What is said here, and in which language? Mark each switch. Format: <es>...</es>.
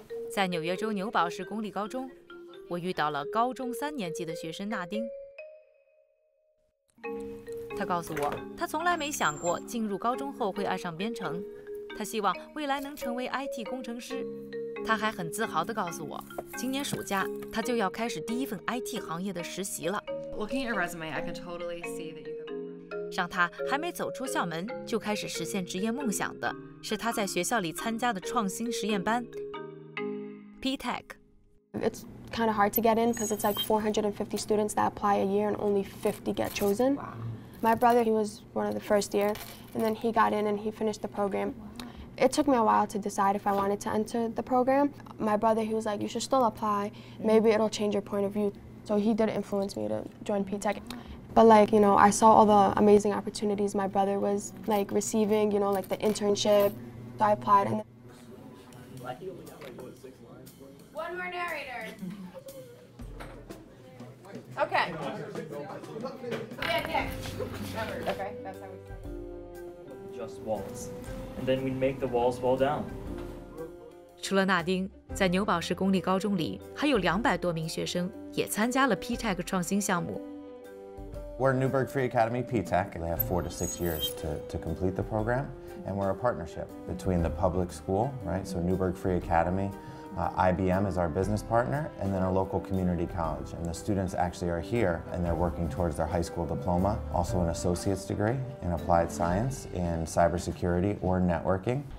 <zh>在纽约州纽堡市公立高中，我遇到了高中三年级的学生纳丁。他告诉我，他从来没想过进入高中后会爱上编程，他希望未来能成为 IT 工程师。他还很自豪地告诉我，今年暑假他就要开始第一份 IT 行业的实习了。</zh> <en>Looking at your resume, I can totally see that you have.</en> <zh>让他还没走出校门就开始实现职业梦想的是他在学校里参加的创新实验班。</zh> <en>P-Tech. It's kind of hard to get in because it's like 450 students that apply a year and only 50 get chosen. Wow. My brother, he was one of the first year and then he got in and he finished the program. Wow. It took me a while to decide if I wanted to enter the program. My brother, he was like, you should still apply. Maybe it'll change your point of view. So he did influence me to join P-Tech. But like, you know, I saw all the amazing opportunities my brother was like receiving, you know, like the internship. So I applied and then One more narrator. Okay. Yeah, yeah. Okay, that's how we start. Just walls, and then we make the walls fall down.</en> <zh>除了纳丁，在纽堡市公立高中里，还有200多名学生也参加了 P-Tech 创新项目。</zh> <en>We're Newburgh Free Academy P-Tech. They have 4 to 6 years to complete the program, and we're a partnership between the public school, right? So Newburgh Free Academy. IBM is our business partner, and then our local community college. And the students actually are here, and they're working towards their high school diploma, also an associate's degree in applied science in cybersecurity or networking.</en>